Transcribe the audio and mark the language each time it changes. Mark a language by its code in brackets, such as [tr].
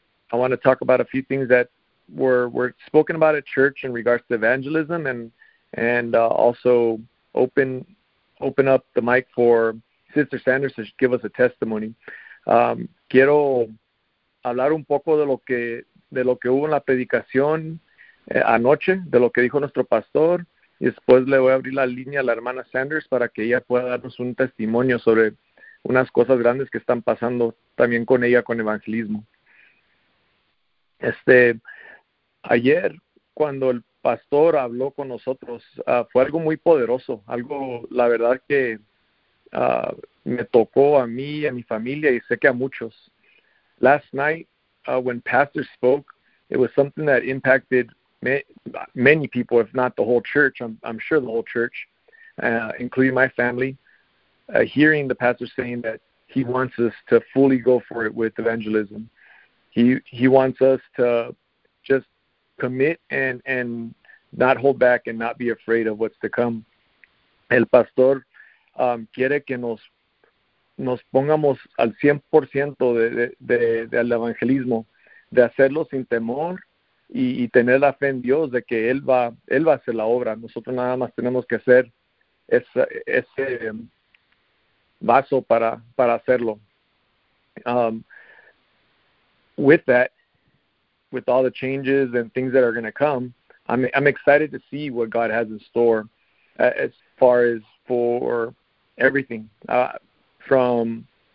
[en] I want to talk about a few things that were spoken about at church in regards to evangelism, and also open up the mic for Sister Sanders to give us a testimony. [es] Quiero hablar un poco de lo que hubo en la predicación anoche, de lo que dijo nuestro pastor, y después le voy a abrir la línea a la hermana Sanders para que ella pueda darnos un testimonio sobre unas cosas grandes que están pasando también con ella con evangelismo. Ayer cuando el pastor habló con nosotros, fue algo muy poderoso, algo la verdad que me tocó a mí y a mi familia y sé que a muchos. [en] Last night, when pastor spoke, it was something that impacted many people, if not the whole church, I'm sure the whole church, including my family, hearing the pastor saying that he wants us to fully go for it with evangelism. He wants us to just commit and not hold back and not be afraid of what's to come. [es] El pastor quiere que nos pongamos al 100% del evangelismo, de hacerlo sin temor y tener la fe en Dios de que él va a hacer la obra. Nosotros nada más tenemos que hacer ese vaso para hacerlo. [en] With that, with all the changes and things that are going to come, I'm excited to see what God has in store as far as for everything, from